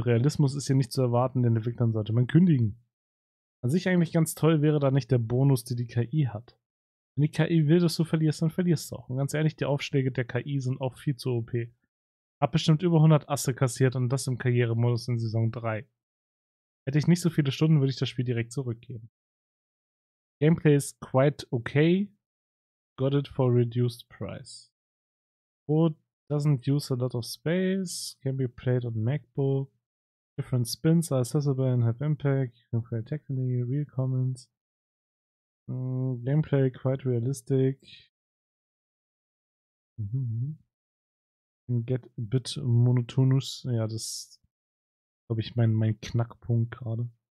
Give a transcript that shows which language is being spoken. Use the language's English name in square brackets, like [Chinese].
[German] Realismus ist hier nicht zu erwarten, den Entwicklern sollte man kündigen. An sich eigentlich ganz toll wäre da nicht der Bonus, den die KI hat. Wenn die KI will, dass du verlierst, dann verlierst du auch. Und ganz ehrlich, die Aufschläge der KI sind auch viel zu OP. Hab bestimmt über 100 Asse kassiert und das im Karrieremodus in Saison 3. Hätte ich nicht so viele Stunden, würde ich das Spiel direkt zurückgeben. [English] Gameplay is quite okay. Got it for reduced price. Boot doesn't use a lot of space. Can be played on MacBook. Different spins are accessible and have impact. You can play technically, real comments. Gameplay quite realistic. Can get a bit monotonous. [German] Ja, das ist, glaube ich, mein Knackpunkt gerade.